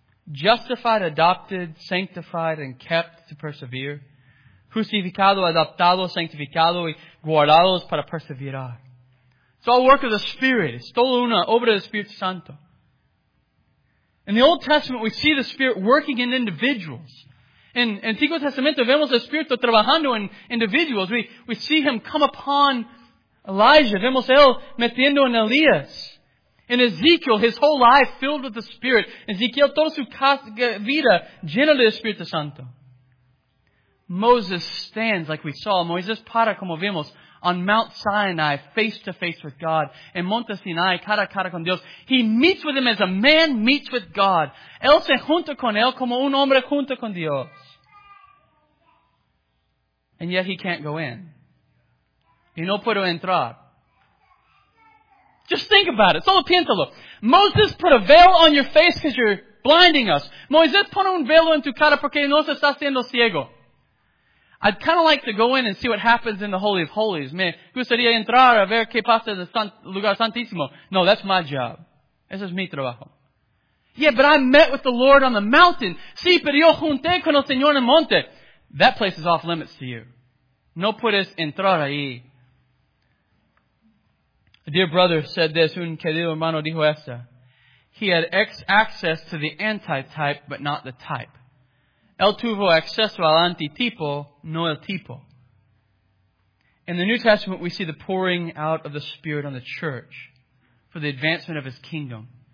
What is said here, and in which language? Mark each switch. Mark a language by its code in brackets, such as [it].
[en] Justified, adopted, sanctified, and kept to persevere. [es] Justificado, adoptado, sanctificado, y guardados para perseverar. [en] It's all work of the Spirit. [es] Es toda una obra del Espíritu Santo. [en] In the Old Testament, we see the Spirit working in individuals. [es] In Antiguo Testamento, vemos el Espíritu trabajando en individuals. [en] We see Him come upon Elijah. [es] Vemos Él metiendo en Elías. [en] In Ezekiel, His whole life filled with the Spirit. [es] Ezekiel, toda su vida llena del Espíritu Santo. [en] Moses stands, like we saw. [es] Moisés para, como vemos, [en] on Mount Sinai, face to face with God. [es] En Monte Sinai, cara a cara con Dios. [en] He meets with Him as a man meets with God. [es] Él se junta con Él como un hombre junto con Dios. [en] And yet He can't go in. [es] Y no puedo entrar. [en] Just think about it. [es] Solo piénsalo. [en] Moses put a veil on your face because you're blinding us. [es] Moisés pone un velo en tu cara porque nos está haciendo ciego. [en] I'd kind of like to go in and see what happens in the Holy of Holies. [es] Me gustaría entrar a ver qué pasa en el lugar santísimo. [en] No, that's my job. [es] Ese es mi trabajo. [en] Yeah, but I met with the Lord on the mountain. [es] Sí, pero yo junté con el Señor en el monte. [en] That place is off limits to you. [es] No puedes entrar ahí. [en] A dear brother said this. [es] Un querido hermano dijo esto. [en] He had access to the antitype, but not the type. [es] Él tuvo acceso al antitipo, no el tipo. [en] In the New Testament, we see the pouring out of the Spirit on the church for the advancement of His kingdom.